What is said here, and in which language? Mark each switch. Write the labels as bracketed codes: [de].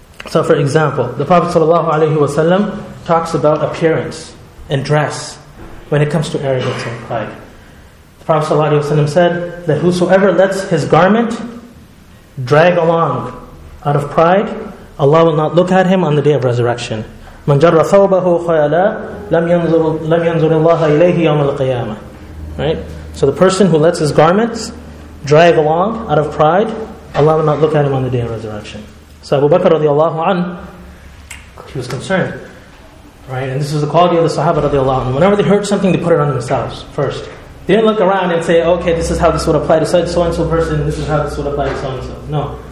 [en] So for example, the Prophet sallallahu alaihi wasallam talks about appearance and dress when it comes to arrogance and pride. The Prophet ﷺ said that whosoever lets his garment drag along out of pride, Allah will not look at him on the day of resurrection. [ar] من جر ثوبه خيالا لم ينظر الله إليه يوم القيامة. [en] Right? So the person who lets his garments drag along out of pride, Allah will not look at him on the day of resurrection. So Abu Bakr radiallahu anhu, he was concerned. Right? And this is the quality of the Sahaba radiallahu anhu. Whenever they heard something, they put it on themselves first. They didn't look around and say, okay, this is how this would apply to so-and-so person, this is how this would apply to so-and-so. No.